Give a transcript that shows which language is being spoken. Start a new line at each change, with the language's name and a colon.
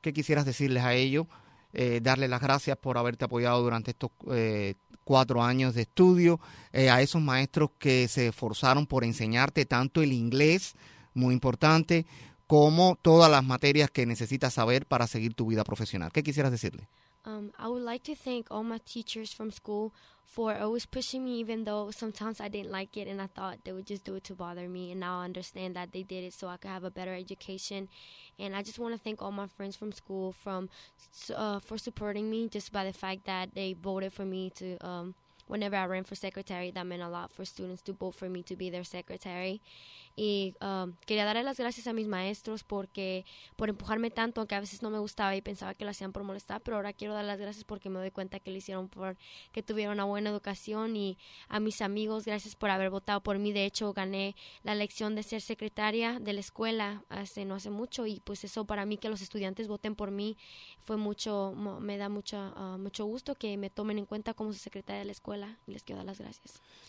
Spanish: ¿Qué quisieras decirles a ellos? Darles las gracias por haberte apoyado durante estos 4 años de estudio, a esos maestros que se esforzaron por enseñarte tanto el inglés, muy importante, como todas las materias que necesitas saber para seguir tu vida profesional. ¿Qué quisieras decirle?
English: I would like to thank all my teachers from school for always pushing me, even though sometimes I didn't like it and I thought they would just do it to bother me. And now I understand that they did it so I could have a better education. And I just want to thank all my friends from school for supporting me, just by the fact that they voted for me to whenever I ran for secretary. That meant a lot for students to vote for me to be their secretary.
Spanish: Y quería darle las gracias a mis maestros por empujarme tanto, aunque a veces no me gustaba y pensaba que lo hacían por molestar, pero ahora quiero dar las gracias porque me doy cuenta que lo hicieron porque tuvieron una buena educación. Y a mis amigos, gracias por haber votado por mí. De hecho, gané la elección de ser secretaria de la escuela no hace mucho, y pues eso para mí, que los estudiantes voten por mí, fue mucho, me da mucho gusto que me tomen en cuenta como su secretaria de la escuela, y les quiero dar las gracias.